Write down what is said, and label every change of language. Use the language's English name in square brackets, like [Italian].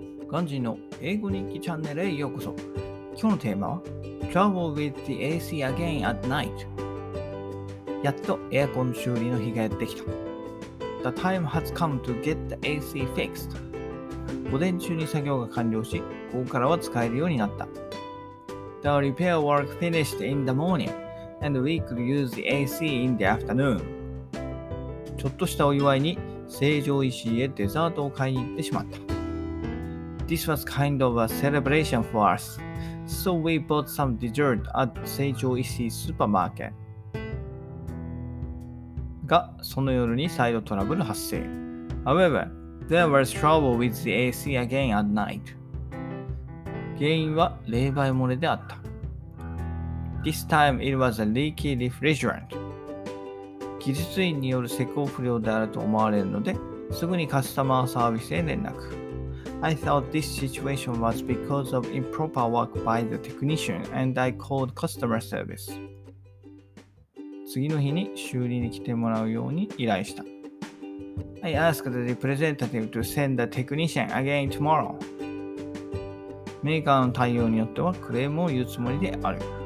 [Japanese] ガンジーの英語日記チャンネルへようこそ。今日のテーマは [English] Trouble with the AC again at night。 [Japanese] やっとエアコン修理の日がやってきた。 [English] The time has come to get the AC fixed。 [Japanese] 午前中に作業が完了し、ここからは使えるようになった。 [English] The repair work finished in the morning and we could use the AC in the afternoon。 [Japanese] ちょっとしたお祝いに成城石井へデザートを買いに行ってしまった。 [English] This was kind of a celebration for us, so we bought some dessert at 成城石井スーパーマーケット。 [Japanese] が、その夜に再度トラブル発生。 [English] However, there was trouble with the AC again at night. [Japanese] 原因は冷媒漏れであった。 [English] This time it was a leaky refrigerant. [Japanese] 技術員による施工不良であると思われるので、すぐにカスタマーサービスへ連絡。 [English] I thought this situation was because of improper work by the technician and I called customer service. [Japanese] 次の日に修理に来てもらうように依頼した。 [English] I asked the representative to send the technician again tomorrow. [Japanese] メーカーの対応によってはクレームを言うつもりである。